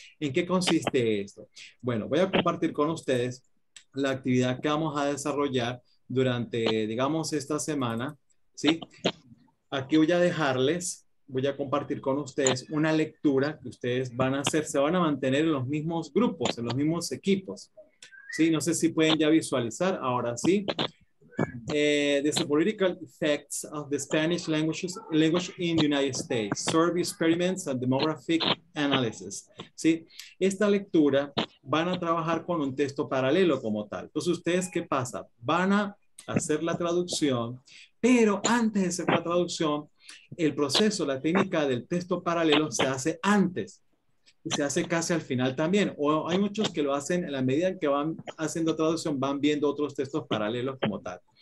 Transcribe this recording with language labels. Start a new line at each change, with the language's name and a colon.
Spanish: ¿En qué consiste esto? Bueno, voy a compartir con ustedes la actividad que vamos a desarrollar durante, digamos, esta semana, ¿sí? Aquí voy a dejarles, voy a compartir con ustedes una lectura que ustedes van a hacer, se van a mantener en los mismos grupos, en los mismos equipos, ¿sí? No sé si pueden ya visualizar, ahora sí.
English: There's the political effects of the Spanish language in the United States, survey experiments and demographic analysis.
Spanish: ¿Sí? Esta lectura van a trabajar con un texto paralelo como tal. Entonces, ¿ustedes qué pasa? Van a hacer la traducción, pero antes de hacer la traducción, el proceso, la técnica del texto paralelo se hace antes. Se hace casi al final también, o hay muchos que lo hacen en la medida en que van haciendo traducción, van viendo otros textos paralelos como tal.